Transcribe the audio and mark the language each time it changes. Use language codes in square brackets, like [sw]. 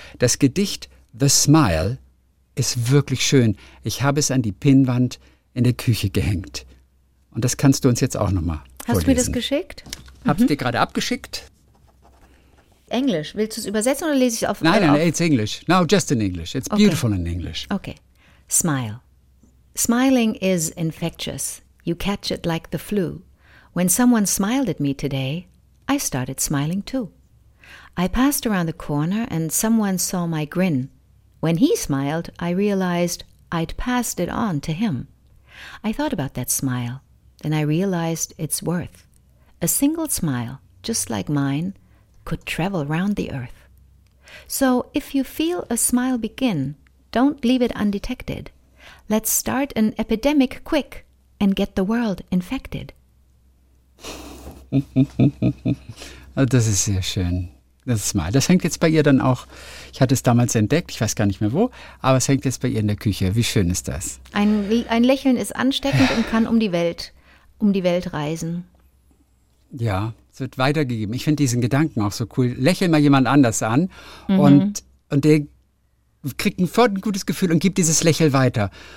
[de] Das Gedicht The Smile ist wirklich schön. Ich habe es an die Pinnwand in der Küche gehängt. Und das kannst du uns jetzt auch nochmal vorlesen. Hast du mir das geschickt? Hab's dir gerade abgeschickt. Englisch. Willst du es übersetzen oder lese ich es auf? Nein, [en] it's English. No, just in English. It's beautiful in English. Okay. Smile. Smiling is infectious. You catch it like the flu. When someone smiled at me today, I started smiling too. I passed around the corner and someone saw my grin. When he smiled, I realized I'd passed it on to him. I thought about that smile, then I realized its worth. A single smile, just like mine, could travel round the earth. So if you feel a smile begin, don't leave it undetected. Let's start an epidemic quick and get the world infected. [de] Das ist sehr schön. Das ist mal. Das hängt jetzt bei ihr dann auch. Ich hatte es damals entdeckt, ich weiß gar nicht mehr wo, aber es hängt jetzt bei ihr in der Küche. Wie schön ist das? Ein Lächeln ist ansteckend und kann um die Welt reisen. Ja, es wird weitergegeben. Ich finde diesen Gedanken auch so cool. Lächel mal jemand anders an und der kriegt sofort ein gutes Gefühl und gibt dieses Lächeln weiter.